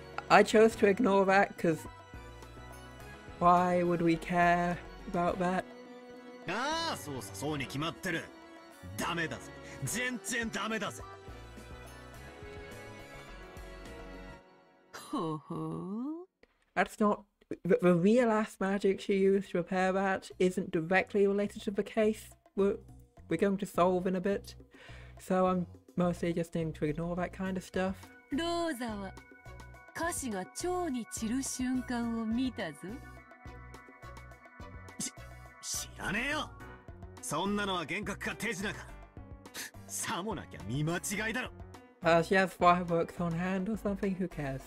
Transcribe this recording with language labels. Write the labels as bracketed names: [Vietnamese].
[English] I chose to ignore that, because why would we care about that? [Japanese] ああ、そうさ、そうに決まってる。ダメだぜ。全然ダメだぜ。ほほ [English] ー。 That's not... The real ass magic she used to repair that isn't directly related to the case we're going to solve in a bit. So I'm mostly just going to ignore that kind of stuff. [Japanese] ローザは菓子が蝶に散る瞬間を見たぞ。知らねえよ。そんなのは幻覚か手品か。さもなきゃ見間違いだろ。 [English] She has fireworks on hand or something, who cares?